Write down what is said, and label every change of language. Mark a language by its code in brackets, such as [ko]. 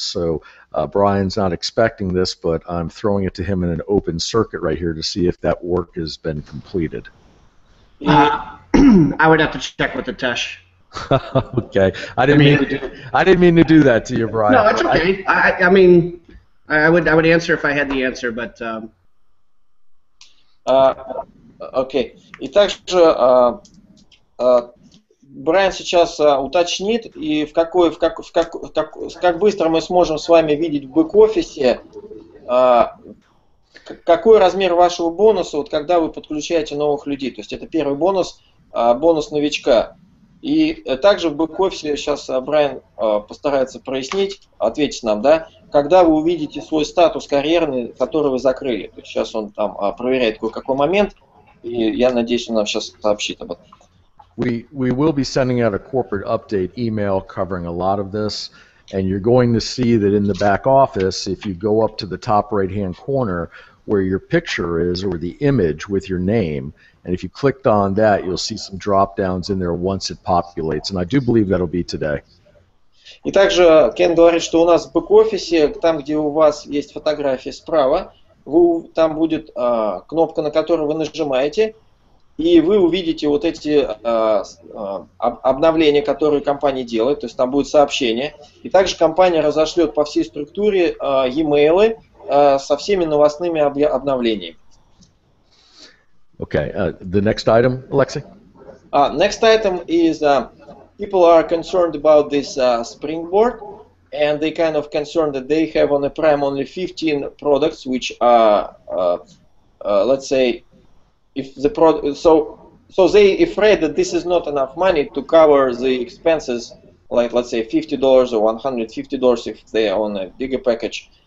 [en] So Brian's not expecting this, but I'm throwing it to him in an open circuit right here to see if that work has been completed. I would have to check with Hitesh. Okay. I didn't mean to do that to you, Brian. No, it's okay. I would answer if I had the answer, but okay. [ru] И также Брайан сейчас уточнит, и как быстро мы сможем с вами видеть в бэк-офисе какой размер вашего бонуса, вот когда вы подключаете новых людей. То есть это первый бонус, бонус новичка. И также в бэк-офисе сейчас Брайан постарается прояснить, ответить нам, да, когда вы увидите свой статус карьерный, который вы закрыли. То есть сейчас он там проверяет кое-какой момент, и я надеюсь, он нам сейчас сообщит об этом. [en] We will be sending out a corporate update email covering a lot of this. And you're going to see that in the back office, if you go up to the top right-hand corner where your picture is or the image with your name, and if you clicked on that, you'll see some drop-downs in there once it populates. And I do believe that'll be today. [ru] И также Кен говорит, что у нас в бэк-офисе, там, где у вас есть фотография справа, там будет кнопка, на которую вы нажимаете, и вы увидите вот эти обновления, которые компания делает, то есть там будет сообщение. И также компания разошлет по всей структуре e-mail со всеми новостными обновлениями. [en] Okay, the next item, Alexei? Next item is people are concerned about this springboard, and they kind of concerned that they have on the prime only 15 products, which are, let's say, if the so they afraid that this is not enough money to cover the expenses, like let's say $50 or $150 if they own a bigger package.